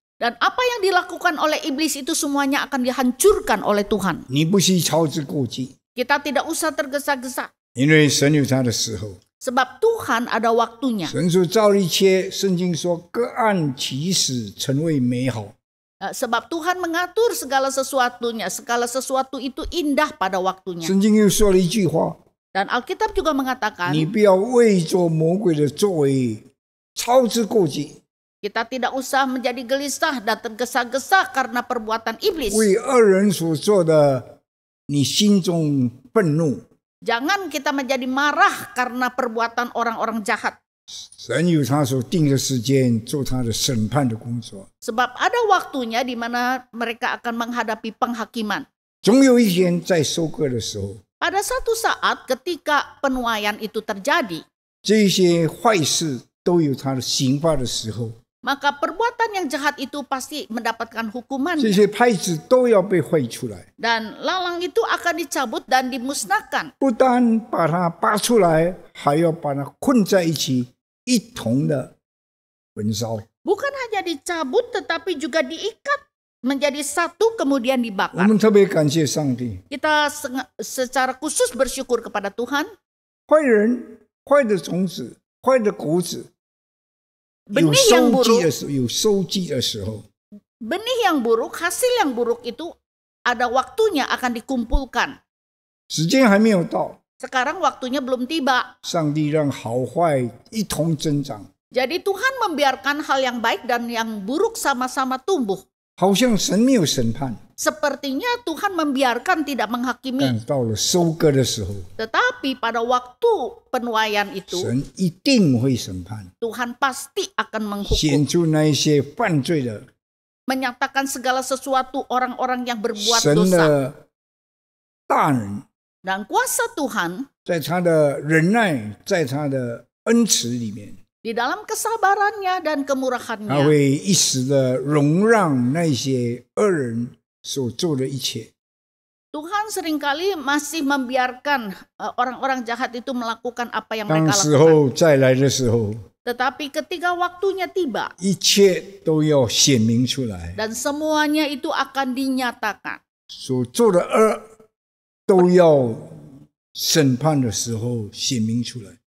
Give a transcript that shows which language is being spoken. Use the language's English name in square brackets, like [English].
[Indonesian] dan apa yang dilakukan oleh iblis itu semuanya akan dihancurkan oleh Tuhan. [Chinese] 你不需要操之过急, [Indonesian] kita tidak usah tergesa-gesa. [Chinese] 因为神有他的时候, [Indonesian] sebab Tuhan ada waktunya. [Chinese] 神所造一切, 圣经说各按其时成为美好, [Indonesian] sebab Tuhan mengatur segala sesuatunya, segala sesuatu itu indah pada waktunya. [Chinese] 圣经又说了一句话, [Indonesian] dan Alkitab juga mengatakan, [Chinese] 你不要为做魔鬼的作为操之过急, [Indonesian] kita tidak usah menjadi gelisah dan tergesa-gesa karena perbuatan iblis. [Chinese] 为恶人所做的, 你心中愤怒, [Indonesian] jangan kita menjadi marah karena perbuatan orang-orang jahat. [Chinese] 神有他所定的时间做他的审判的工作, [Indonesian] sebab ada waktunya di mana mereka akan menghadapi penghakiman. [Chinese] 总有一天在收割的时候, [Indonesian] pada satu saat ketika penuaian itu terjadi, [Chinese] 这些坏事都有他的刑罚的时候, [Indonesian] maka perbuatan yang jahat itu pasti mendapatkan hukuman. [Chinese] 这些派子都要被毁出来, [Indonesian] dan lalang itu akan dicabut dan dimusnahkan. [Chinese] 不但把它拔出来, 还要把它困在一起, 一同的焚烧, [Indonesian] bukan hanya dicabut tetapi juga diikat menjadi satu kemudian dibakar. [Chinese] 我们特别感谢上帝, [Indonesian] kita secara khusus bersyukur kepada Tuhan. [Chinese] 坏人, 坏的种子, 坏的谷子, [Indonesian] benih yang buruk, [Chinese] 有收集的时候, [Indonesian] benih yang buruk, hasil yang buruk itu ada waktunya akan dikumpulkan. [Chinese] 时间还没有到, [Indonesian] sekarang waktunya belum tiba. [Chinese] 上帝让好坏一同增长, [Indonesian] jadi Tuhan membiarkan hal yang baik dan yang buruk sama-sama tumbuh. [Chinese] 好像神没有审判, [Indonesian] sepertinya Tuhan membiarkan tidak menghakimi. [Chinese] 但到了收割的时候, [Indonesian] tetapi pada waktu penuaian itu, [Chinese] 神一定会审判, [Indonesian] Tuhan pasti akan menghukum. [Chinese] 显出那些犯罪的, [Indonesian] menyatakan segala sesuatu orang-orang yang berbuat [Chinese] 神的大人, [Indonesian] dosa. Dan kuasa Tuhan, [Chinese] 在他的忍耐, 在他的恩慈里面, [Indonesian] di dalam kesabarannya dan kemurahannya, [Chinese] 他会一时的容让那些恶人, 所做的一切, [Indonesian] Tuhan seringkali masih membiarkan orang-orang jahat itu melakukan apa yang mereka [Chinese] 当时候再来的时候, [Indonesian] tetapi ketika waktunya tiba, [Chinese] 一切都要显明出来, [Indonesian] dan semuanya itu akan dinyatakan. [Chinese] 所做的恶都要审判的时候显明出来.